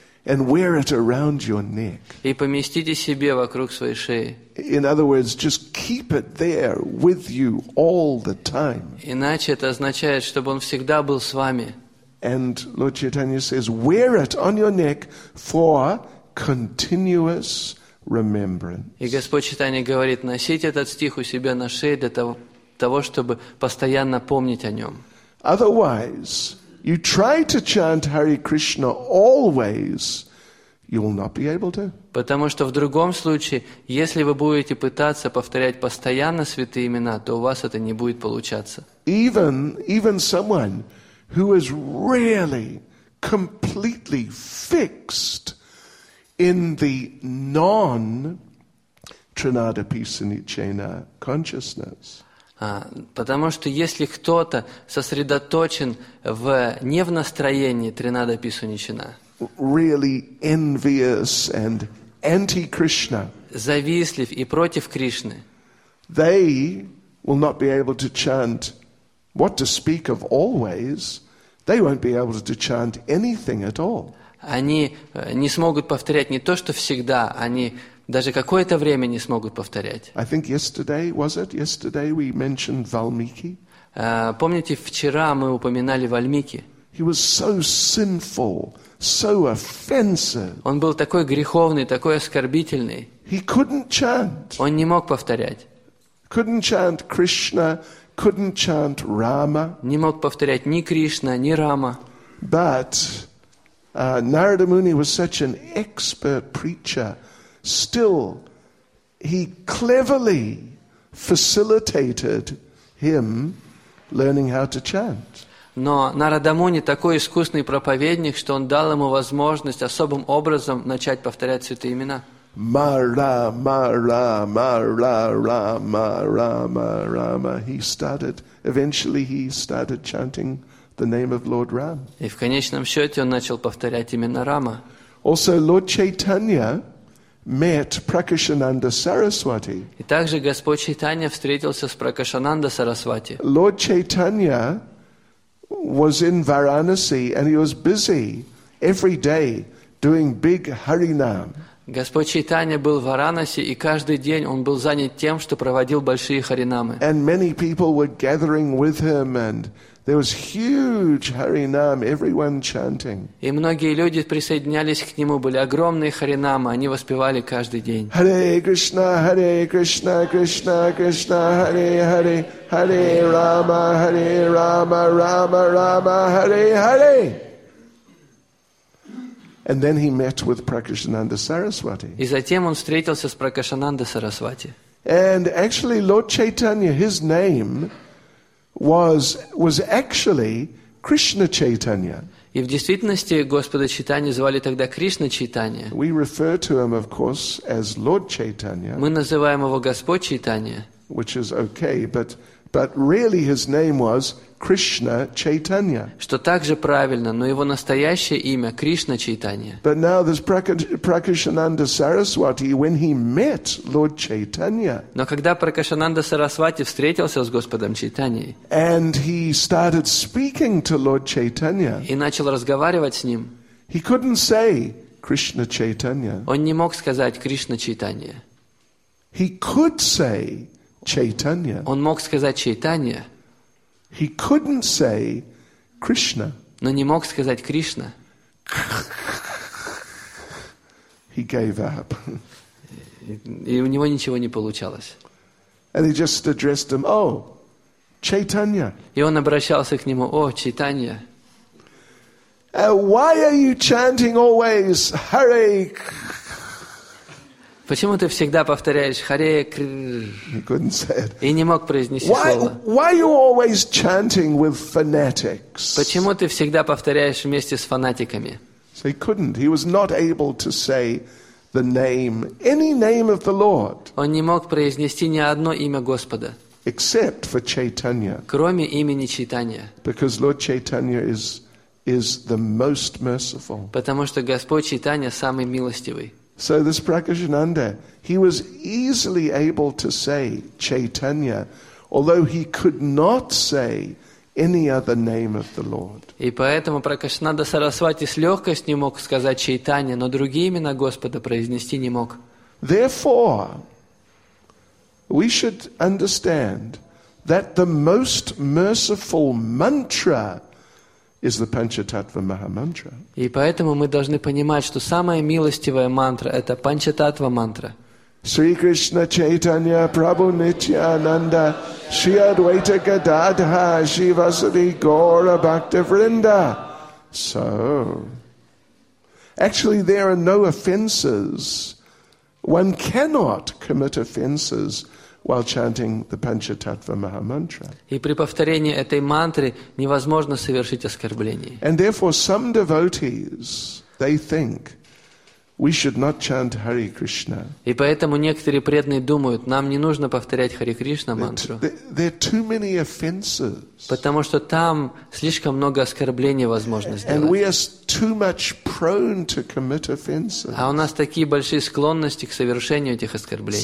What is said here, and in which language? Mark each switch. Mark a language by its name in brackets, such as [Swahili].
[English] And wear it around your neck. [Russian] И поместите себе вокруг своей шеи. [English] In other words, just keep it there with you all the time. [Russian] Иначе это означает, чтобы он всегда был с вами. [English] And Lord Chaitanya says, wear it on your neck for continuous remembrance. [Russian] И Господь Чайтанья говорит, носить этот стих у себя на шее для того, чтобы постоянно помнить о нем. [English] Otherwise, you try to chant Hare Krishna always, you will not be able to. [Russian] Потому что в другом случае, если вы будете пытаться повторять постоянно святые имена, то у вас это не будет получаться. [English] Even someone who is really completely fixed in the non-trinadapisanichena consciousness. [Russian] Потому что если кто-то сосредоточен в не в настроении тринадаписуничена, [English] really envious and anti-Krishna, [Russian] завистлив и против Кришны, [English] they will not be able to chant what to speak of always. They won't be able to chant anything at all. [Russian] Они не смогут повторять не то, что всегда, они даже какое-то время не смогут повторять. [English] I think yesterday, was it? Yesterday we mentioned Valmiki. [Russian] Помните, вчера мы упоминали Вальмики? [English] He was so sinful, so offensive. [Russian] Он был такой греховный, такой оскорбительный. [English] He couldn't chant. [Russian] Он не мог повторять. [English] Couldn't chant Krishna, couldn't chant Rama. [Russian] Не мог повторять ни Кришна, ни Рама. [English] But Narada Muni was such an expert preacher. Still, he cleverly facilitated him learning how to chant. [Russian] Но Нарада Муни такой искусный проповедник, что он дал ему возможность особым образом начать повторять святые имена. [Sanskrit] Mara, mara, mara, rama, rama, rama. [English] Eventually he started chanting the name of Lord Ram. [Russian] И в конечном счете он начал повторять имена Рама. [English] Also, Lord Chaitanya met Prakashananda Saraswati. [Russian] И также Господь Чайтанья встретился с Пракашананда Сарасвати. [English] Lord Chaitanya was in Varanasi and he was busy every day doing big Harinam. [Russian] Господь Чайтанья был в Варанаси, и каждый день он был занят тем, что проводил большие харинамы. [English] And many people were gathering with him, and there was huge harinam, everyone chanting. [Russian] И многие люди присоединялись к нему, были огромные харинамы, они воспевали каждый день. [Sanskrit] Hare Krishna, Hare Krishna, Krishna Krishna, Hare Hare, Hare Rama, Hare Rama, Rama Rama, Hare Hare. [English] And then he met with Prakashananda Saraswati. [Russian] И затем он встретился с Пракашананда Сарасвати. [English] And actually, Lord Chaitanya, his name was actually Krishna Chaitanya. [Russian] И в действительности Господа Чайтанью звали тогда Кришна Чайтанья. [English] We refer to him, of course, as Lord Chaitanya. [Russian] Мы называем его Господь Чайтанья. [English] Which is okay, but really his name was Krishna Chaitanya. [Russian] Что также правильно, но его настоящее имя Кришна Чайтанья. [English] But now this Prakashananda Saraswati, when he met Lord Chaitanya. [Russian] Но когда Пракашананда Сарасвати встретился с Господом Чайтаньей. [English] And he started speaking to Lord Chaitanya. [Russian] И начал разговаривать с ним. [English] He couldn't say Krishna Chaitanya. [Russian] Он не мог сказать Кришна Чайтанья. [English] He could say Chaitanya. [Russian] Он мог сказать Чайтанья. [English] He couldn't say Krishna. [Russian] Но не мог сказать Кришна. [English] He gave up. [Russian] И у него ничего не получалось. [English] And he just addressed him, "Oh, Chaitanya." [Russian] И он обращался к нему: "О, Чайтанья." [English] Why are you chanting always Hare? [Russian] Почему ты всегда повторяешь Харе Кришна? И не мог произнести слово. [English] Why you always chanting with fanatics? [Russian] Почему ты всегда повторяешь вместе с фанатиками? [English] So he couldn't. He was not able to say the name, any name of the Lord. [Russian] Он не мог произнести ни одно имя Господа. [English] Except for Chaitanya. [Russian] Кроме имени Чайтанья. [English] Because Lord Chaitanya is the most merciful. [Russian] Потому что Господь Чайтанья самый милостивый. [English] So this Prakashananda, he was easily able to say Chaitanya, although he could not say any other name of the Lord. [Russian] И поэтому Пракашананда Сарасвати с легкостью мог сказать Чайтанья, но другие имена Господа произнести не мог. [English] Therefore, we should understand that the most merciful mantra is the Panchatattva Mahamantra. [Russian] И поэтому мы должны понимать, что самая милостивая мантра – это Панчататва мантра. [Sanskrit] Sri Krishna Chaitanya Prabhu Nityananda Shri Advaita Gadadha Shri Vasudhi Gaura Bhakta Vrinda. [English] So, actually there are no offenses. One cannot commit offenses while chanting the Panchatattva Mahamantra. [Russian] И при повторении этой мантры невозможно совершить оскорбление. [English] And therefore some devotees, they think, we should not chant Hare Krishna. [Russian] И поэтому некоторые преданные думают, нам не нужно повторять Hare Krishna мантру. [English] There are too many offenses. [Russian] Потому что там слишком много оскорблений возможно сделать. [English] And we are too much prone to commit offenses. [Russian] А у нас такие большие склонности к совершению этих оскорблений.